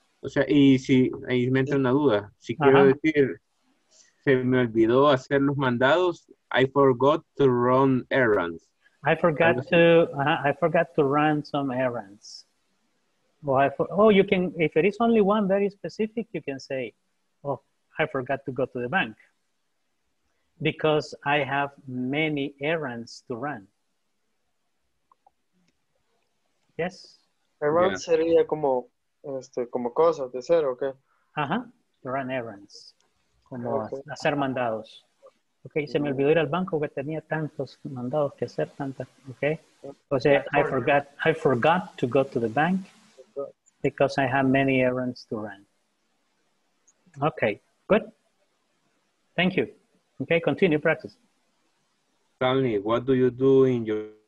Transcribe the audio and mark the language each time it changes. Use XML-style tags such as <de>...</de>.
<es>O sea, y si ahí me entra una duda, si quiero decir, se me olvidó hacer los mandados,</es> <en>I forgot to run errands. I forgot to run some errands. Well, you can, if it is only one very specific, you can say, oh, I forgot to go to the bank because I have many errands to run. Yes?</en> <es>Errands yeah. Sería como, como cosas de ser, okay? Uh-huh.</es> <en>Run errands.</en> <es>Como okay. Hacer mandados. Okay, se me olvidó ir al banco que tenía tantos mandados que hacer, tantas, okay?</es> <en>O sea, I forgot to go to the bank because I have many errands to run. Okay, good. Thank you. Okay, continue practice. Tell me, what do you do in your...</en>